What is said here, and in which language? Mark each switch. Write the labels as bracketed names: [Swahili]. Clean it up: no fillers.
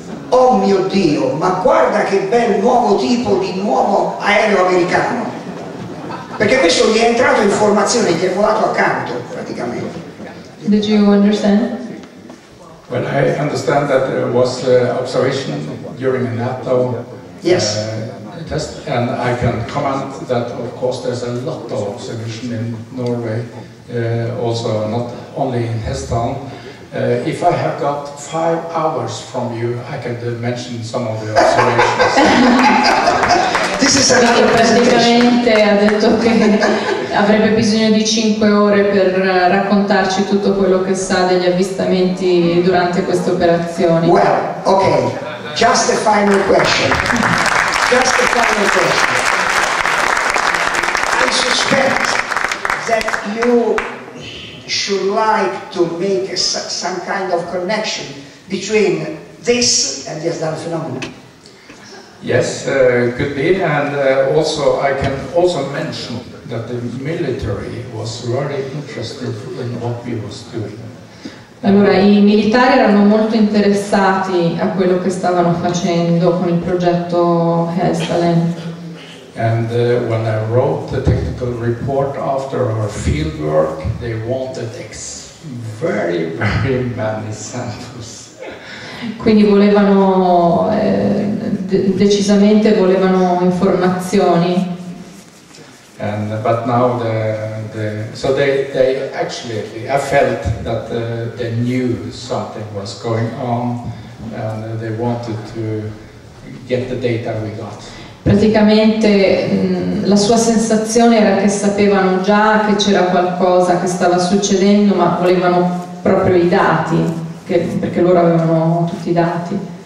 [Italian] Oh mio Dio, ma guarda che bel nuovo tipo di nuovo aereo americano. Perché questo gli è entrato in formazione, gli è volato accanto, praticamente. [English] Did you understand? Well, I understand that there was observation during a NATO yes. Test, and I can comment that, of course, there's a lot of observation in Norway, also not only in Hestown. If I have got 5 hours from you, I can mention some of the observations. This is a [Italian] praticamente ha detto che avrebbe bisogno di 5 ore per raccontarci tutto quello che sa degli avvistamenti durante queste operazioni. [English] Well, okay, just a final question. Just a final question. I suspect that you should like to make some kind of connection between this and the astral phenomenon. Yes, could be, and also I can also mention that the military was very interested in what we was doing. [Italian] Allora, i militari erano molto interessati a quello che stavano facendo con il progetto Hestalen. [English] And when I wrote the technical report after our field work, they wanted very, very many samples. [Italian] Quindi volevano decisamente volevano informazioni. [English] And but now I felt that they knew something was going on and they wanted to get the data we got. [Italian] Praticamente la sua sensazione era che sapevano già che c'era qualcosa che stava succedendo, ma volevano proprio i dati, perché loro avevano tutti i dati.